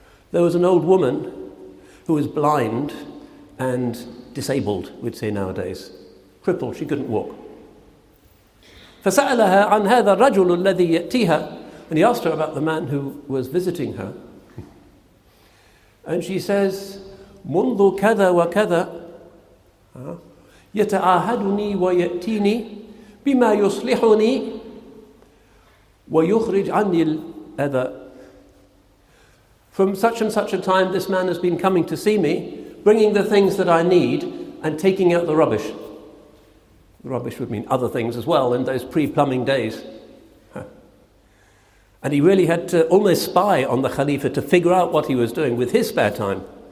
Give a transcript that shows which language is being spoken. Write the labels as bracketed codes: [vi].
[en] There was an old woman who was blind and disabled, we'd say nowadays. Crippled, she couldn't walk. [ar] فَسَأَلَهَا عَنْ هَذَا الرَّجُلُ الَّذِي يَأْتِيهَا. [en] And he asked her about the man who was visiting her. And she says, [ar] مُنْذُ كَذَا وَكَذَا يَتَعَاهَدُنِي وَيَأْتِينِي بِمَا يُصْلِحُنِي وَيُخْرِجْ عَنِّي الْأَذَا. [en] From such and such a time, this man has been coming to see me, bringing the things that I need and taking out the rubbish. Rubbish would mean other things as well in those pre-plumbing days. And he really had to almost spy on the Khalifa to figure out what he was doing with his spare time.